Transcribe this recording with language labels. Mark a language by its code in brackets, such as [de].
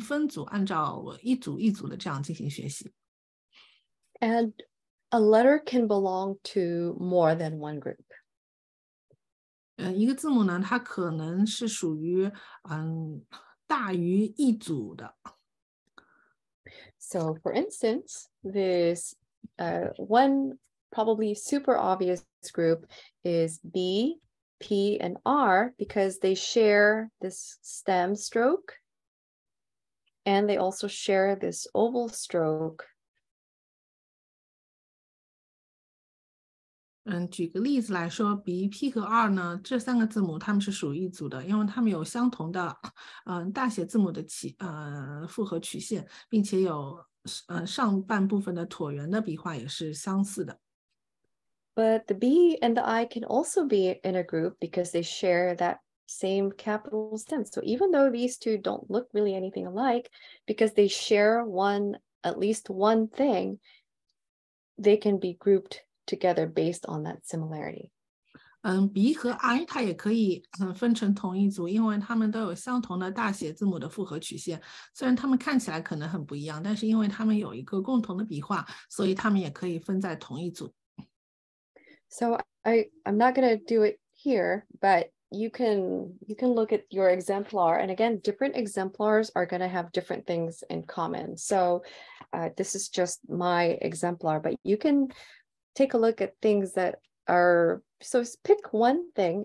[zh] 这个是我的范本，在你们的讲义当中也已经发给你们，上面是有线的。然后学习大写字母的时候呢，我们不要从A、B、C这样顺序写，我们应该按照字母之间相似的来进行分组，按照一组一组的这样进行学习。 [en] And a letter can belong to more than one group. [zh] 一个字母呢，它可能是属于大于一组的。 [en] So for instance, this one probably super obvious group is B, P, and R because they share this stem stroke and they also share this oval stroke. [zh] 举个例子来说， B, P 和 R 呢，这三个字母它们是属于一组的，因为它们有相同的大写字母的复合曲线，并且有上半部分的椭圆的笔画也是相似的。 [en] But the B and the I can also be in a group because they share that same capital stem. So even though these two don't look really anything alike, because they share one, at least one thing, they can be grouped together based on that similarity. [zh] B 和 I 它也可以分成同一组，因为它们都有相同的大写字母的复合曲线。虽然它们看起来可能很不一样，但是因为它们有一个共同的笔画，所以它们也可以分在同一组。 [en] So I'm not going to do it here, but you can look at your exemplar. And again, different exemplars are going to have different things in common. So this is just my exemplar, but you can take a look at things that are, so pick one thing.